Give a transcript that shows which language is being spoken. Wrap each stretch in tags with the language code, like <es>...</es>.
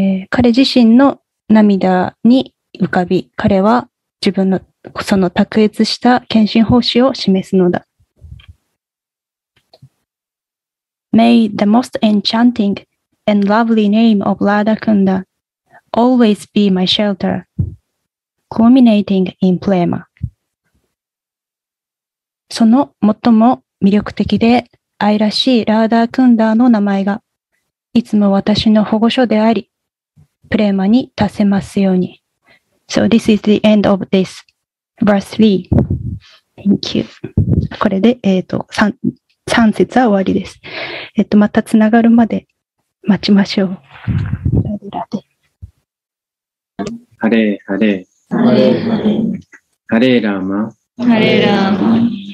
<ja>彼自身の涙に浮かび、彼は自分のその卓越した献身奉仕を示すのだ。</ja> <en>May the most enchanting and lovely name of Radhakunda always be my shelter, culminating in prema.</en> <ja>その最も魅力的で愛らしいラーダークンダーの名前がいつも私の保護所であり、プレーマに達せますように。</ja> <en>So this is the end of this verse 3. Thank you.</en> <ja>これで、3節は終わりです。またつながるまで待ちましょう。ラデラデ。ハレーハレー。 ハレーラーマ。ハレーラーマ。</ja>